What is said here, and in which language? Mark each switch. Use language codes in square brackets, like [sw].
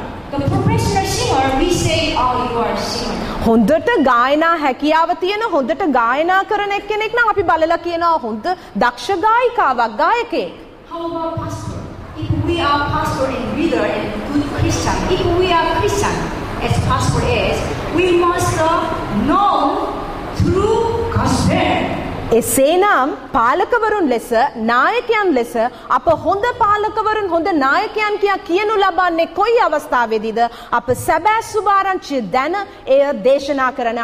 [en] The professional singer, we say, oh, you are a singer. [si] හොඳට ගායනා හැකියාව තියෙන හොඳට ගායනා කරන කෙනෙක් නම් අපි බලලා කියනවා හොඳ දක්ෂ ගායිකාවක් ගායකයෙක්. [en] How about pastor? If we are pastor and leader and good Christian, if we are Christian as pastor is, we must know through gospel. [si] එසේ නම් පාලකවරුන් ලෙස නායකයන් ලෙස අප හොඳ පාලකවරුන් හොඳ නායකයන් කියා කියනු ලබන්නේ කොයි අවස්ථාවේදීද අප සැබෑ සුභාරංචි දැන එය දේශනා කරන